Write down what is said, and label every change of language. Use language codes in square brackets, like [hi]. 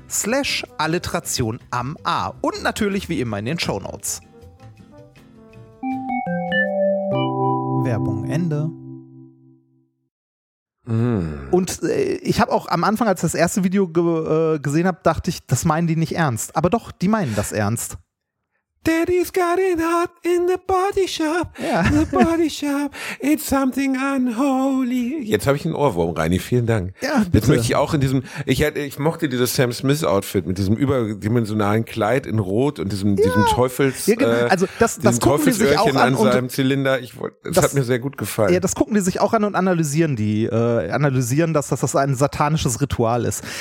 [de] simon.link/alliteration am A. Und natürlich wie immer in den Shownotes. Werbung Ende. Und ich habe auch am Anfang, als ich das erste Video gesehen habe, dachte ich, das meinen die nicht ernst. Aber doch, die meinen das ernst. [en] Daddy's got it hot in the body shop. Ja. The body shop, it's something unholy. [de] Jetzt habe ich einen Ohrwurm, Reini, vielen Dank. Ja, bitte. Jetzt möchte ich auch in diesem, ich mochte dieses Sam Smith Outfit mit diesem überdimensionalen Kleid in Rot und diesem, ja, diesem Teufels, ja, genau. Also das Teufelsöhrchen sich auch an seinem Zylinder. Das hat mir sehr gut gefallen. Ja, das gucken die sich auch an und analysieren die, dass das ein satanisches Ritual ist.